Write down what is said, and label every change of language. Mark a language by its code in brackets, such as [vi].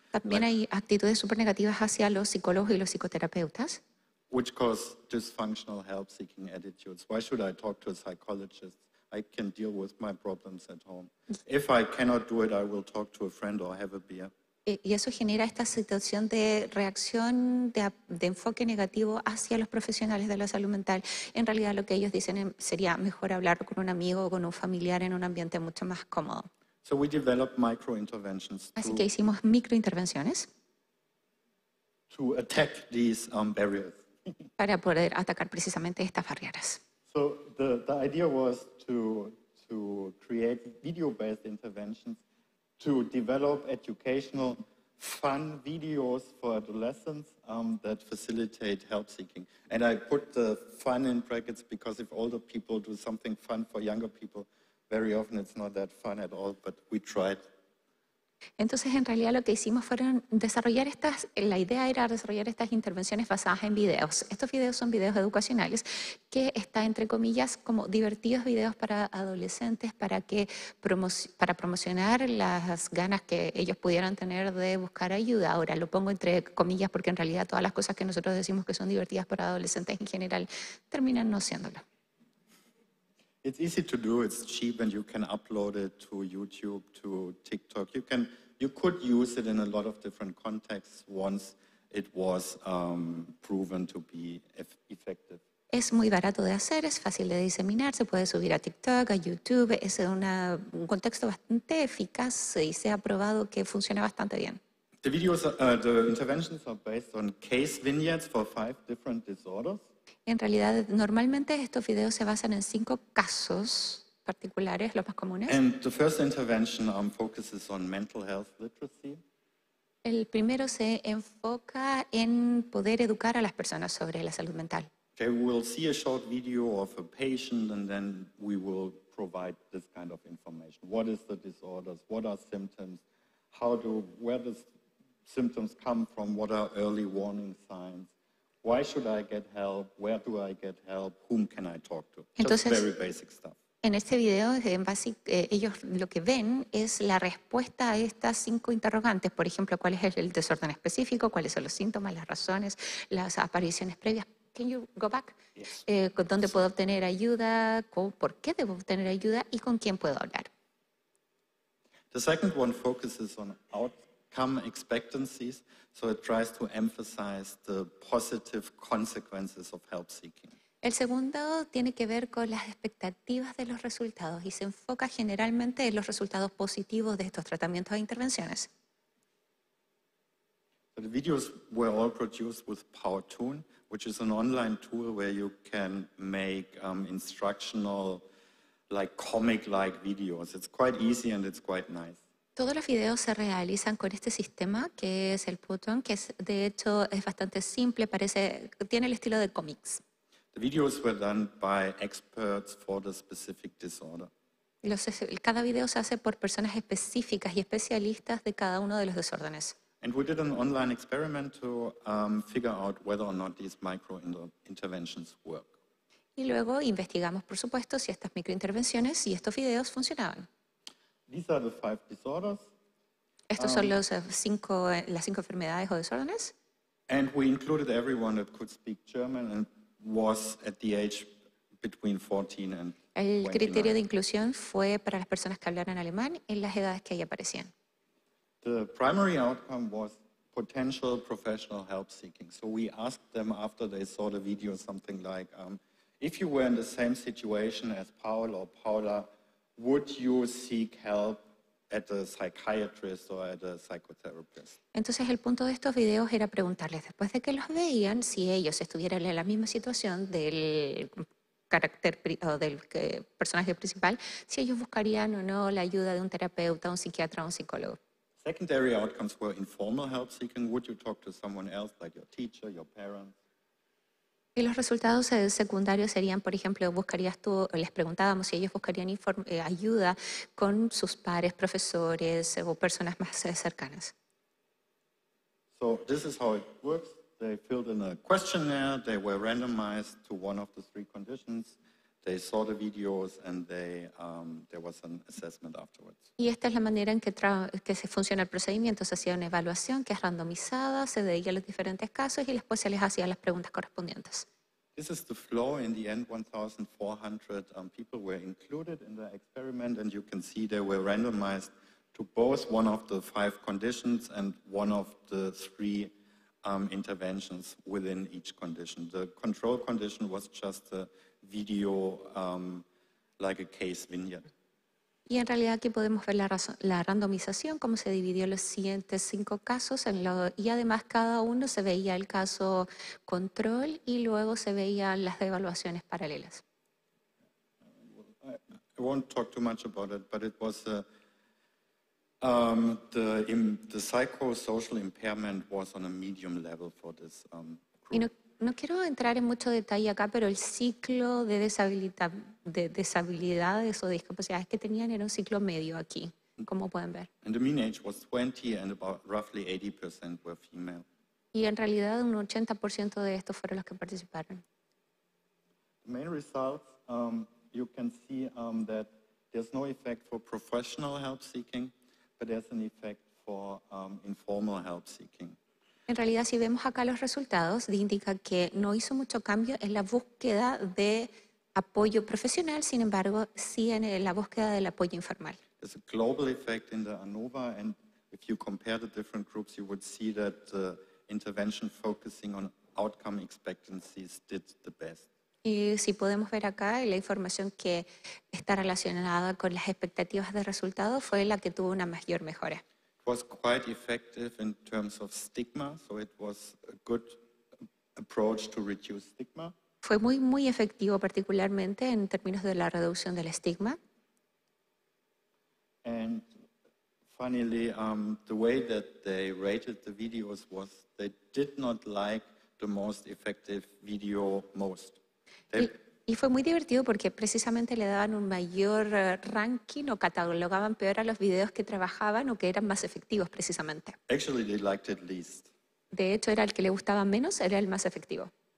[es] También hay actitudes súper negativas hacia los psicólogos y los psicoterapeutas. [en] Which cause dysfunctional help-seeking attitudes. Why should I talk to a psychologist? I can deal with my problems at home. If I cannot do it, I will talk to a friend or have a beer. [es] Y eso genera esta situación de reacción, de enfoque negativo hacia los profesionales de la salud mental. En realidad, lo que ellos dicen sería mejor hablar con un amigo o con un familiar en un ambiente mucho más cómodo. [en] So we developed micro interventions. [es] Así que hicimos microinterventions. [en] To attack these barriers. [es] Para poder atacar precisamente estas barreras. [en] So the idea was to create video-based interventions, to develop educational fun videos for adolescents that facilitate help-seeking. And I put the fun in brackets because if older people do something fun for younger people, very often it's not that fun at all, but we tried. [es] Entonces, en realidad, lo que hicimos fueron desarrollar estas, la idea era desarrollar estas intervenciones basadas en videos. Estos videos son videos educacionales que están, entre comillas, como divertidos videos para adolescentes para promocionar las ganas que ellos pudieran tener de buscar ayuda. Ahora, lo pongo entre comillas porque, en realidad, todas las cosas que nosotros decimos que son divertidas para adolescentes en general terminan no siéndolo. [en] It's easy to do, it's cheap, and you can upload it to YouTube, to TikTok. You could use it in a lot of different contexts once it was proven to be effective. [es] Es muy barato de hacer, es fácil de diseminar, se puede subir a TikTok, a YouTube. Es un contexto bastante eficaz y se ha probado que funciona bastante bien. [en] The videos, the interventions are based on case vignettes for 5 different disorders. [es] En realidad, normalmente estos videos se basan en 5 casos particulares, los más comunes. [en] And the first intervention focuses on mental health literacy. [es] El primero se enfoca en poder educar a las personas sobre la salud mental. [en] Okay, we'll see a short video of a patient and then we will provide this kind of information. What is the disorders? What are symptoms? Where does symptoms come from? What are early warning signs? Why should I get help? Where do I get help? Whom can I talk to? [es] Entonces, [en] just very basic stuff. [es] En este video, ellos lo que ven es la respuesta a estas 5 interrogantes. Por ejemplo, ¿cuál es el desorden específico? ¿Cuáles son los síntomas, las razones, las apariciones previas? [en] Can you go back? Yes. [es] ¿Dónde puedo obtener ayuda? ¿Por qué debo obtener ayuda? ¿Y con quién puedo hablar? [en] The second one focuses on outcome expectancies. So it tries to emphasize the positive consequences of help seeking. [es] El segundo tiene que ver con las expectativas de los resultados y se enfoca generalmente en los resultados positivos de estos tratamientos e intervenciones. [en] The videos were all produced with Powtoon, which is an online tool where you can make instructional, like comic-like videos. It's quite easy and it's quite nice. [es] Todos los videos se realizan con este sistema que es el Powtoon, que es, de hecho es bastante simple, parece, tiene el estilo de cómics. [en] The videos were done by experts for the specific disorder. [es] Cada video se hace por personas específicas y especialistas de cada uno de los desórdenes. [en] And we did an online experiment to figure out whether or not these micro interventions work. [es] Y luego investigamos, por supuesto, si estas microintervenciones y estos videos funcionaban. [en] These are the 5 disorders. [es] Estos son las cinco enfermedades o desórdenes. [en] And we included everyone that could speak German and was at the age between 14 and 29. [es] El criterio de inclusión fue para las personas que hablaran alemán en las edades que ahí aparecían. [en] The primary outcome was potential professional help seeking. So we asked them after they saw the video something like, if you were in the same situation as Paul or Paula, would you seek help at a psychiatrist or at a psychotherapist? [es] Entonces, el punto de estos videos era preguntarles, después de que los veían, si ellos estuvieran en la misma situación del carácter o del personaje principal, si ellos buscarían o no la ayuda de un terapeuta, un psiquiatra o un psicólogo. [en] Secondary outcomes were informal help seeking. Would you talk to someone else, like your teacher, your parents? [es] Y los resultados secundarios serían, por ejemplo, buscarías tú, les preguntábamos si ellos buscarían ayuda con sus pares, profesores o personas más cercanas. [en] So this is how it works. They filled in a questionnaire. They were randomized to one of the three conditions. They saw the videos and they, there was an assessment afterwards. [es] Y esta es la manera en que, que se funciona el procedimiento. Se hacía una evaluación que es randomizada, se dedica a los diferentes casos y después se les hacía las preguntas correspondientes. [en] This is the flow. In the end, 1,400 people were included in the experiment, and you can see they were randomized to both one of the five conditions and one of the three interventions within each condition. The control condition was just a video, like a case vignette. [es] Y en realidad aquí podemos ver la randomización, cómo se dividió los siguientes cinco casos en lo, y además cada uno se veía el caso control y luego se veían las evaluaciones paralelas. [en] I won't talk too much about it, but it was the psychosocial impairment was on a medium level for this group. [es] Y no quiero entrar en mucho detalle acá, pero el ciclo de deshabilidades o discapacidades que tenían era un ciclo medio aquí, como pueden ver. [en] And the mean age was 20 and about roughly 80% were female. [es] Y en realidad un 80% de estos fueron los que participaron. [en] The main results, you can see that there's no effect for professional help seeking, but there's an effect for informal help seeking. [es] En realidad, si vemos acá los resultados, indica que no hizo mucho cambio en la búsqueda de apoyo profesional, sin embargo, sí en la búsqueda del apoyo informal. [en] There's a global effect in the ANOVA, and if you compare the different groups, you would see that the intervention focusing on outcome expectancies did the best. [es] Y si podemos ver acá, la información que está relacionada con las expectativas de resultados fue la que tuvo una mayor mejora. [en] It was quite effective in terms of stigma, so it was a good approach to reduce stigma. [es] Fue muy, muy efectivo, particularmente en términos de la reducción del estigma. [en] And finally, the way that they rated the videos was they did not like the most effective video most. [es] Y fue muy divertido porque precisamente le daban un mayor ranking o catalogaban peor a los videos que trabajaban o que eran más efectivos precisamente. [en] Actually, they liked it least. [es] De hecho, era el que le gustaba menos, era el más efectivo.